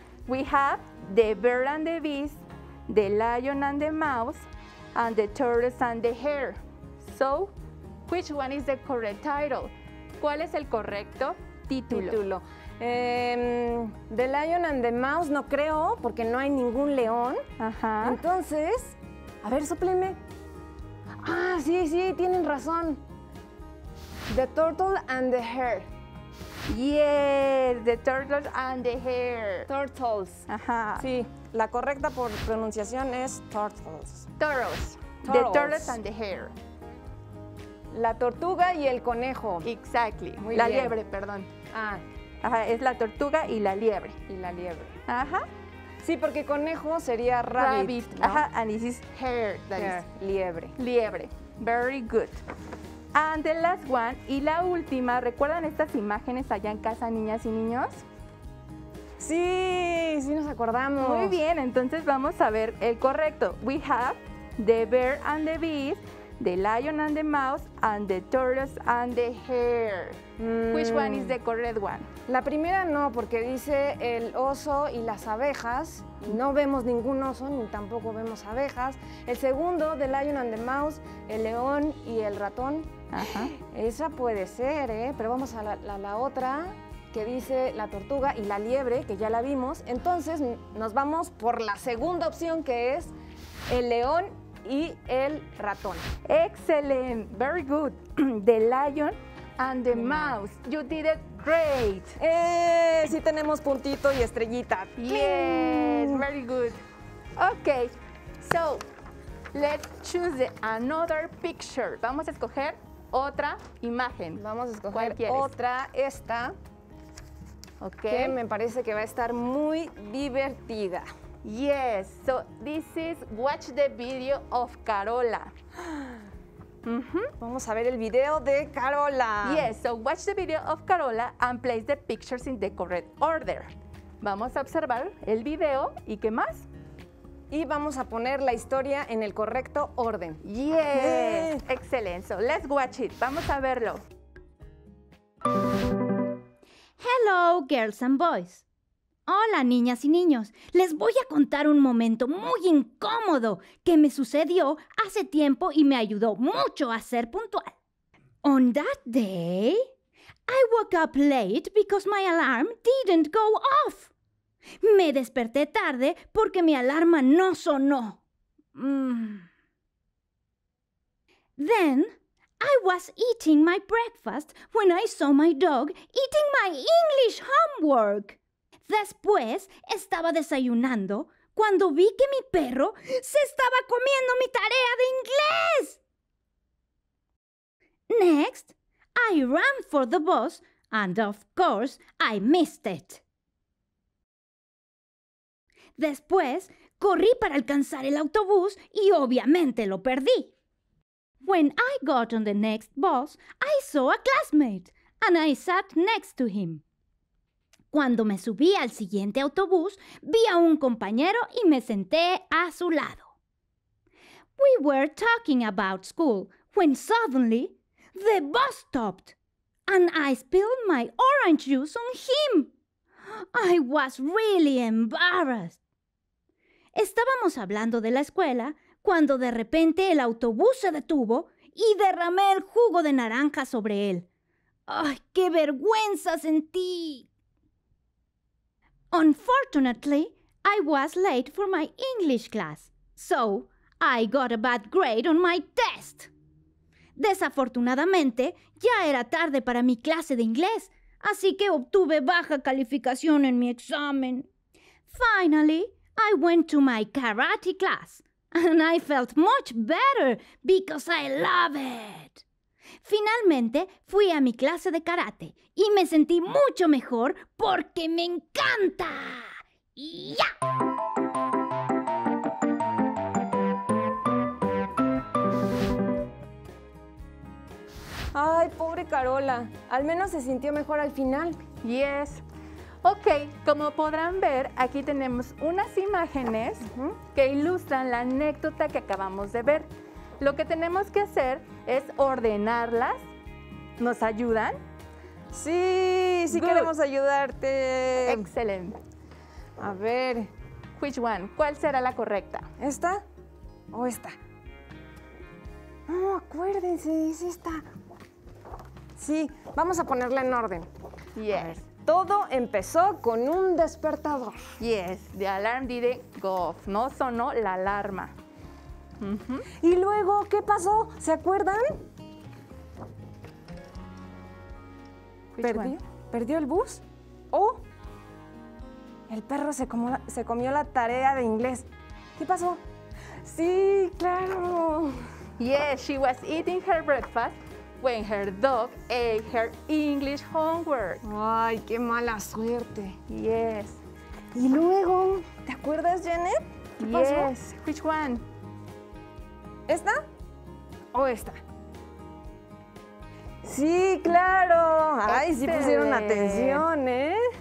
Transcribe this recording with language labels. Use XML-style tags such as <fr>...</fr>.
<en>We have the bear and the beast, the lion and the mouse, and the tortoise and the hare. So, which one is the correct title?</en> <es>¿Cuál es el correcto título?</es> <en>The lion and the mouse,</en> <es>no creo, porque no hay ningún león. Ajá. Entonces, a ver, súplenme. Ah, sí, sí, tienen razón.</es> <en>The turtle and the hare. Yes, the turtles and the hare. Turtles.</en> <es>Ajá. Sí, la correcta por pronunciación es turtles.</es> <en>Turtles. The turtles and the hare.</en> <es>La tortuga y el conejo.</es> <en>Exactly.</en> <es>Muy bien. La liebre, perdón. Ah. Ajá, es la tortuga y la liebre. Y la liebre. Ajá. Sí, porque conejo sería rabbit. ¿No?</es> <en>Ajá, and this is hare. That hare. Is</en> <es>liebre.</es> <en>Liebre. Very good. And the last one,</en> <es>y la última, ¿recuerdan estas imágenes allá en casa, niñas y niños? Sí, sí nos acordamos. Muy bien, entonces vamos a ver el correcto.</es> <en>We have the bear and the beast, the lion and the mouse, and the tortoise and the hare. Which one is the correct one?</en> <es>La primera no, porque dice el oso y las abejas. No vemos ningún oso ni tampoco vemos abejas. El segundo,</es> <en>the lion and the mouse,</en> <es>el león y el ratón. Ajá. Esa puede ser, ¿eh? Pero vamos a la otra, que dice la tortuga y la liebre, que ya la vimos. Entonces, nos vamos por la segunda opción, que es el león y el ratón.</es> <en>Excellent, very good. The lion and the mouse. You did it great.</en> <es>Sí tenemos puntito y estrellita. ¡Cling!</es> <en>Yes, very good. Okay, so let's choose another picture.</en> <es>Vamos a escoger otra imagen. Vamos a escoger otra, esta.</es> <en>Okay.</en> <es>Que me parece que va a estar muy divertida.</es> <en>Yes, so this is watch the video of Carola.</en> <es>Vamos a ver el video de Carola.</es> <en>Yes, so watch the video of Carola and place the pictures in the correct order.</en> <es>Vamos a observar el video y ¿qué más? Y vamos a poner la historia en el correcto orden.</es> <en>Yes, yes. Excellent. So let's watch it.</en> <es>Vamos a verlo.</es> <en>Hello, girls and boys.</en> <es>Hola, niñas y niños. Les voy a contar un momento muy incómodo que me sucedió hace tiempo y me ayudó mucho a ser puntual.</es> <en>On that day, I woke up late because my alarm didn't go off.</en> <es>Me desperté tarde porque mi alarma no sonó.</es> <en>Then, I was eating my breakfast when I saw my dog eating my English homework.</en> <es>Después, estaba desayunando cuando vi que mi perro se estaba comiendo mi tarea de inglés.</es> <en>Next, I ran for the bus and, of course, I missed it.</en> <es>Después, corrí para alcanzar el autobús y obviamente lo perdí.</es> <en>When I got on the next bus, I saw a classmate and I sat next to him.</en> <es>Cuando me subí al siguiente autobús, vi a un compañero y me senté a su lado.</es> <en>We were talking about school when suddenly the bus stopped and I spilled my orange juice on him. I was really embarrassed.</en> <es>Estábamos hablando de la escuela cuando de repente el autobús se detuvo y derramé el jugo de naranja sobre él. ¡Ay, qué vergüenza sentí!</es> <en>Unfortunately, I was late for my English class, so I got a bad grade on my test.</en> <es>Desafortunadamente, ya era tarde para mi clase de inglés, así que obtuve baja calificación en mi examen.</es> <en>Finally, I went to my karate class, and I felt much better because I love it.</en> <es>Finalmente, fui a mi clase de karate y me sentí mucho mejor porque me encanta. ¡Ya! ¡Ay, pobre Carola! Al menos se sintió mejor al final.</es> <en>Yes.</en> <es>Ok, como podrán ver, aquí tenemos unas imágenes que ilustran la anécdota que acabamos de ver. Lo que tenemos que hacer es ordenarlas. ¿Nos ayudan? Sí, sí. Good. Queremos ayudarte. Excelente. A ver.</es> <en>Which one?</en> <es>¿Cuál será la correcta? ¿Esta o esta? No, oh, acuérdense, es esta. Sí, vamos a ponerla en orden. Yes. A ver, todo empezó con un despertador.</es> <en>Yes, the alarm did it go off.</en> <es>No sonó la alarma. Y luego, ¿qué pasó? ¿Se acuerdan? ¿Perdió el bus? ¿O el perro se comió la tarea de inglés? ¿Qué pasó? Sí, claro.</es> <en>Yes, she was eating her breakfast when her dog ate her English homework.</en> <es>Ay, qué mala suerte.</es> <en>Yes.</en> <es>Y luego, ¿te acuerdas, Janet? ¿Qué</es> <en>yes.</en> <es>pasó?</es> <en>Which one?</en> <es>¿Esta o esta? Sí, claro. Ay, sí pusieron atención, ¿eh?</es>